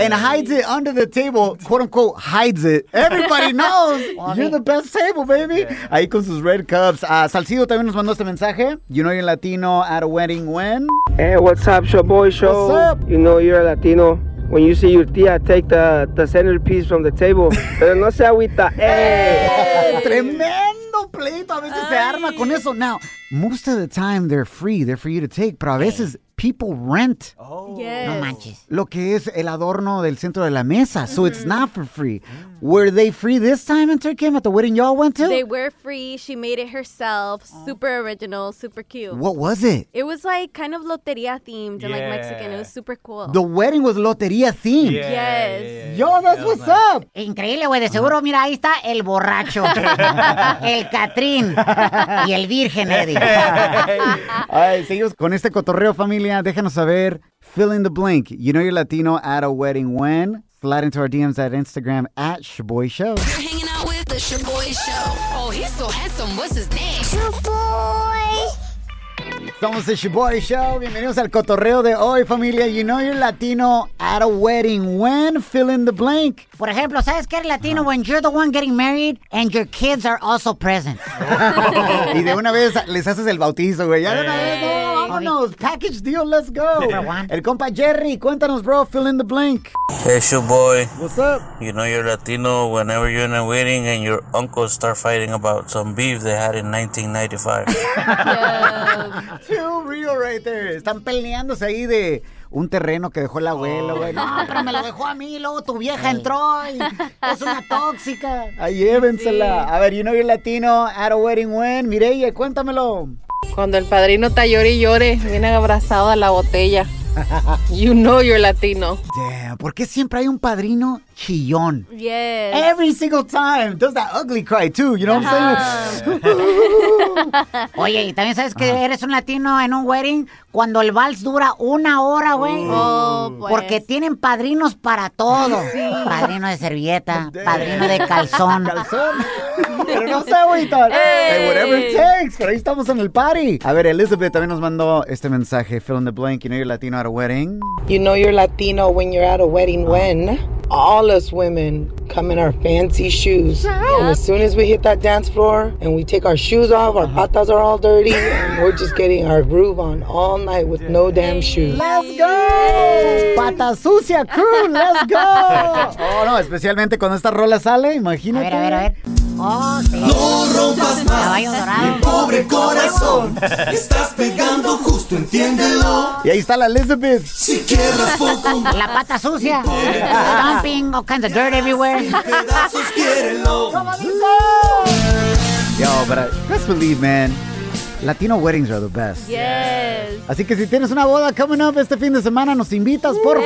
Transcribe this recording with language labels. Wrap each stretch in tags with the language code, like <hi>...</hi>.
<en>And hides it under the table, quote unquote, hides it. Everybody knows you're the best table, baby. Yeah.</en> <es>Ahí con sus red cups. Salcido también nos mandó este mensaje.</es> <en>You know you're Latino at a wedding when? Hey, what's up, Shaboy Show? What's up? You know you're a Latino when you see your tia take the centerpiece from the table.</en> <es>Pero no sea agüita. Hey! Tremendo pleito. A veces se arma con eso.</es> <en>Now, most of the time they're free. They're for you to take.</en> <es>Pero a veces.</es> <en>People rent. Oh, yes.</en> <es>No manches. Lo que es el adorno del centro de la mesa.</es> <en>So it's not for free. Mm. Were they free this time in Turkey at the wedding y'all went to? They were free. She made it herself. Oh. Super original, super cute. What was it? It was like kind of loteria themed and like Mexican. It was super cool. The wedding was loteria themed. Yeah. Yes. Yo, that's what's nice. Up.</en> <es>Increíble, güey. De seguro, mira, ahí está el borracho. El Catrín. Y el Virgen Eddie. Ay, seguimos con este cotorreo, familia. Déjanos saber,</es> <en>fill in the blank. You know you're Latino at a wedding when? Slide into our DMs at Instagram at Shaboy Show. You're hanging out with the Shaboy Show. Oh, he's so handsome. What's his name? Shaboy.</en> <es>Somos the Shaboy Show. Bienvenidos al cotorreo de hoy, familia.</es> <en>You know you're Latino at a wedding when? Fill in the blank.</en> <es>Por ejemplo, ¿sabes qué eres Latino?</es> <en>When you're the one getting married and your kids are also present.</en> <es>Y de una vez les haces el bautizo, güey. Ya de una vez, vámonos.</es> <en>Package deal, let's go.</en> <es>El compa Jerry, cuéntanos, bro.</es> <en>Fill in the blank. Hey, Shaboy. What's up? You know you're Latino whenever you're in a wedding and your uncles start fighting about some beef they had in 1995. Too real right there.</en> <es>Están peleándose ahí de un terreno que dejó el abuelo, güey. No, pero me lo dejó a mí, luego tu vieja entró y es una tóxica. Ay, llévensela. Sí. A ver,</es> <en>you know you're Latino at a wedding when?</en> <es>Mireia, cuéntamelo. Cuando el padrino está llore y llore, viene abrazado a la botella.</es> <en>You know you're Latino.</en> <es>Damn, ¿por qué siempre hay un padrino chillón?</es> <en>Yes. Every single time. Does that ugly cry too, you know what I'm saying?</en> <es>Oye, ¿y también sabes que eres un latino en un wedding? Cuando el vals dura una hora, güey. Oh, pues. Porque tienen padrinos para todo. Sí. Padrino de servilleta, padrino de calzón. Pero no sé, güey.</es> <en>Hey, whatever it takes.</en> <es>Pero ahí estamos en el party. A ver, Elizabeth también nos mandó este mensaje.</es> <en>Fill in the blank. You know you're Latino at a wedding. You know you're Latino when you're at a wedding when all us women come in our fancy shoes. Yep. And as soon as we hit that dance floor and we take our shoes off, our patas are all dirty. And we're just getting our groove on all night with no damn shoes. Let's go! Pata sucia crew, let's go!</en> <es>Oh no, especialmente cuando esta rola sale, imagínate. A ver, a ver, a ver. Oh, sí. No rompas más mi pobre corazón. Estás pegando justo, entiéndelo. Y ahí está la Elizabeth. Si quieres poco más, la pata sucia.</es> <en>Dumping all kinds of dirt everywhere.</en> <es>Pedazos, quiérelo. ¿Cómo dice?</es> <en>Yo, but best believe, man, Latino weddings are the best. Yes.</en> <es>Así que si tienes una boda</es> <en>coming up</en> <es>este fin de semana, nos invitas, porfa.</es>